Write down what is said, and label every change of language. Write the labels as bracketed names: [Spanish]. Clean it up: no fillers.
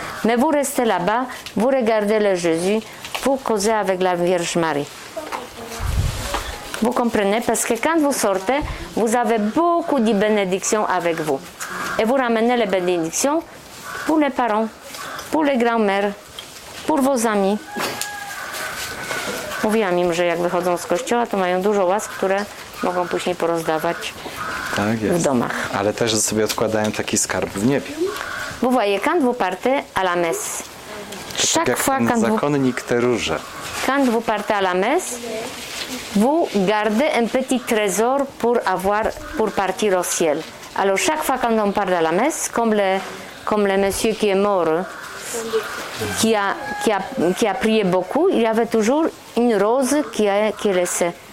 [French] Mais vous restez là-bas, vous regardez le Jésus, vous causez avec la Vierge Marie. Vous comprenez? Parce que quand vous sortez, vous avez beaucoup de bénédictions avec vous. Et vous ramenez les bénédictions pour les parents, pour les grands-mères, pour vos amis. [Polish] Mówiłam im, że jak wychodzą z kościoła, to mają dużo łask, które mogą później porozdawać. Tak jest. W domach. Ale też sobie odkładają taki skarb w niebie. [French] Vous voyez, quand vous partez à la messe. Chaque fois quand vous [Polish] zakonnik te róże. [French] Quand vous partez à la messe, vous gardez un petit trésor pour partir au ciel. Alors chaque fois quand on part à la messe, comme le monsieur qui est mort, qui a prié beaucoup, il y avait toujours une rose qui est laissée.